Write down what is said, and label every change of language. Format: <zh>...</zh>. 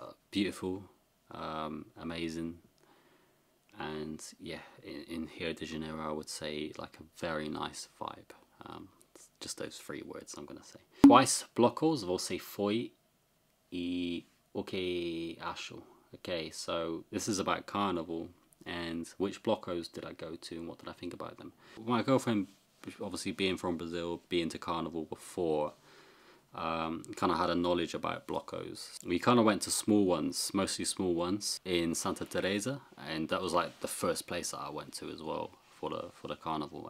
<en>Beautiful, amazing. And yeah, in Rio de Janeiro, I would say like a very nice vibe. Just those three words I'm going to say.</en> <pt>Quais blocos você foi e o que achou?</pt> <en>Okay, so this is about carnival and which blocos did I go to and what did I think about them? My girlfriend, obviously being from Brazil, being to carnival before, kind of had a knowledge about blocos. We kind of went to small ones, mostly small ones, in Santa Teresa, and that was like the first place that I went to as well for the carnival.</en>